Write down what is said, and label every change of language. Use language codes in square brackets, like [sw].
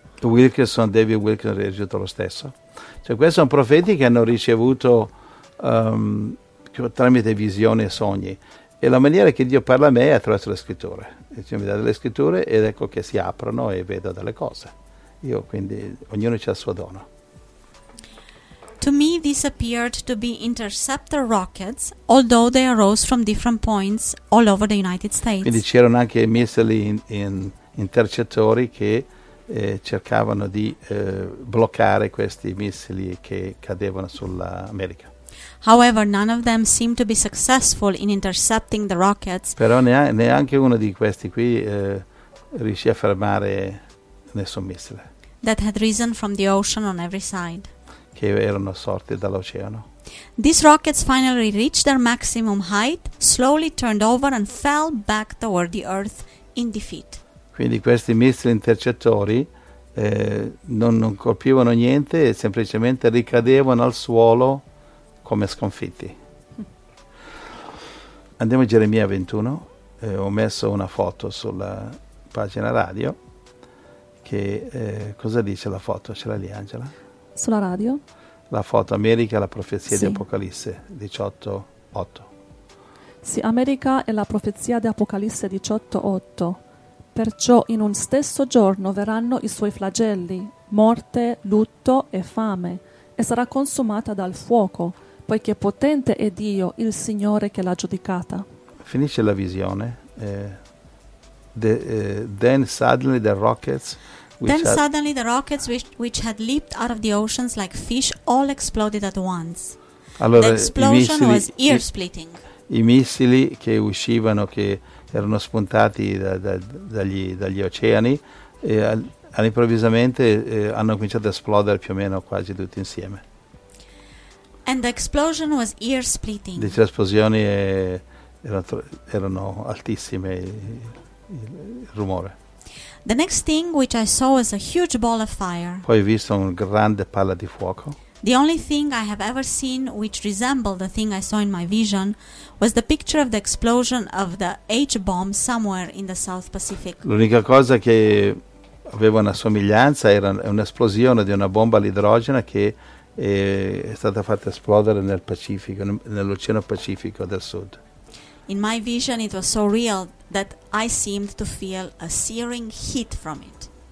[it] Wilkerson, David Wilkerson ha ricevuto lo stesso. Cioè, questi sono profeti che hanno ricevuto tramite visioni e sogni. E la maniera che Dio parla a me è attraverso le scritture. Cioè, mi dà delle scritture ed ecco che si aprono e vedo delle cose. Io, quindi, ognuno c'ha il suo dono. [en] To me this appeared to be interceptor rockets, although they arose from different points all over the United States. [it] Quindi c'erano anche missili intercettori che cercavano di bloccare questi missili che cadevano sull'America. [en] However, none of them seemed to be successful in intercepting the rockets. [it] Però neanche uno di questi qui riuscì a fermare nessun missile. [en] That had risen from the ocean on every side. [it] Che erano sorti dall'oceano. [en] These rockets finally reached their maximum height, slowly turned over and fell back toward the earth in defeat. [it] Quindi questi missili intercettori non colpivano niente e semplicemente ricadevano al suolo come sconfitti. Andiamo a Geremia 21, ho messo una foto sulla pagina radio, che cosa dice la foto? Ce l'ha lì Angela? Sulla radio? La foto America e la profezia, sì, di Apocalisse 18:8. Sì, America e la profezia di Apocalisse 18:8. Perciò in un stesso giorno verranno i suoi flagelli, morte, lutto e fame, e sarà consumata dal fuoco, poiché potente è Dio, il Signore che l'ha giudicata. Finisce la visione. [en] Then suddenly the rockets... Which had leaped out of the oceans like fish all exploded at once. [it] Allora, [en] the explosion was ear-splitting. [it] I missili che uscivano, che erano spuntati dagli oceani, e all'improvvisamente hanno cominciato a esplodere più o meno quasi tutti insieme. [en] And the explosion was ear-splitting. [it] Dice, le esplosioni erano altissime, il rumore. [en] The next thing which I saw was a huge ball of fire. [it] Poi ho visto un grande palla di fuoco. [en] The only thing I have ever seen which resembled the thing I saw in my vision was the picture of the explosion of the H-bomb somewhere in the South Pacific. [it] L'unica cosa che aveva una somiglianza era un'esplosione di una bomba all'idrogeno che è stata fatta esplodere nel Pacifico, nell'Oceano Pacifico del Sud. [en] In my vision it was so real that I seemed to feel a searing heat from it.